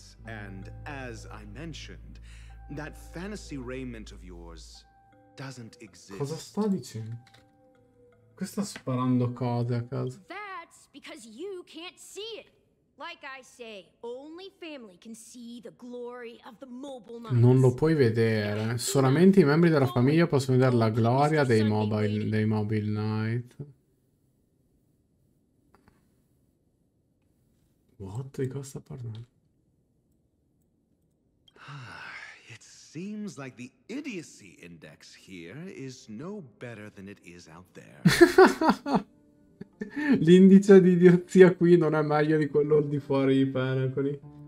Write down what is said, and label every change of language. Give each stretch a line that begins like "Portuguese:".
English: And as I mentioned, that fantasy raiment of yours doesn't
Italian: Cosa sta
English: exist.
Italian: dicendo? Che sta sparando cose a caso?
English: That's because you can't see it. Like I say, only family can see the glory of the mobile knights.
Italian: Non lo puoi vedere. Solamente i membri della famiglia possono vedere la gloria dei mobile knight.
English: What?
Italian: Di cosa sta parlando?
English: It seems like the idiocy index here is no better than it is out there.
Italian: L'indice di idiozia qui non è meglio di quello di fuori i paracoli.